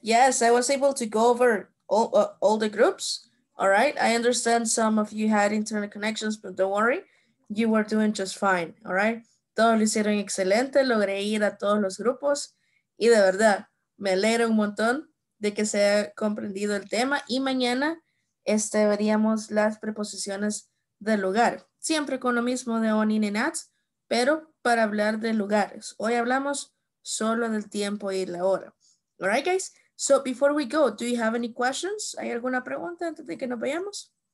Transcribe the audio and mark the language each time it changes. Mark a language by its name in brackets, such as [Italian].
[English] Yes, I was able to go over all the groups. All right. I understand some of you had internet connections, but don't worry, you were doing just fine. [Spanish] All right. Todos lo hicieron excelente. Logré ir a todos los grupos y de verdad me alegra un montón de que se haya comprendido el tema. Y mañana veríamos las preposiciones del lugar. Siempre con lo mismo de on in and at, pero para hablar de lugares. Hoy hablamos solo del tiempo y la hora. [English] All right, guys? So before we go, do you have any questions? [Spanish] ¿Hay alguna pregunta antes de que nos vayamos?